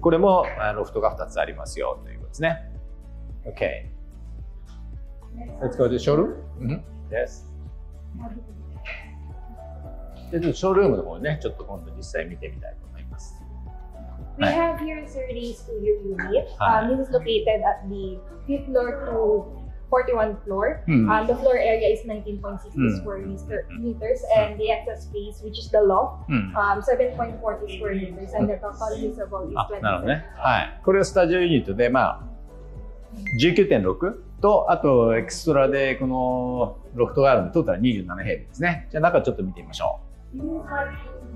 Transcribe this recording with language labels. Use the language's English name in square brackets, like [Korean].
[Japanese] これもロフトが2つありますよということですね。 [English] Okay. Let's go to the showroom. Yes. [Japanese] でちょっとショールームの方をね、ちょっと今度実際見てみたいと思います。 [English] We have here is already studio unit. This is located at the 5th floor to 41 floor. The floor area is 19.60 square meters. And the excess space, which is the loft, 7.40 square meters. And the total usable is 20. [Japanese] なるほどね。はい。これはスタジオユニットで、19.6? とあとエクストラでこのロフトがあるので、トータル27平米ですね。じゃあ中ちょっと見てみましょう。